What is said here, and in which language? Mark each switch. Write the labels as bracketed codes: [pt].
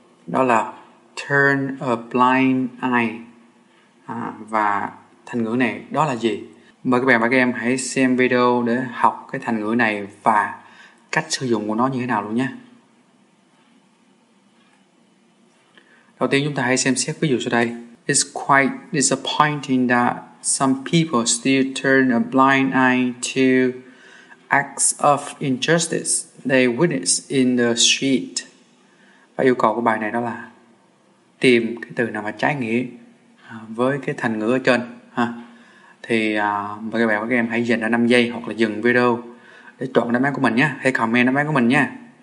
[vi] Đó là turn a blind eye. Và thành ngữ này đó là gì? Mời các bạn và các em hãy xem video để học cái thành ngữ này và cách sử dụng của nó như thế nào luôn nhé. Đầu tiên chúng ta hãy xem xét ví dụ sau đây. [en] It's quite disappointing that some people still turn a blind eye to acts of injustice they witness in the street. [vi] Và yêu cầu của bài này đó là tìm cái từ nào mà trái nghĩa với cái thành ngữ ở trên ha. Thì các em hãy dành ra 5 giây hoặc là dừng video để chọn đáp án của mình nhé. Hãy comment đáp án của mình nha.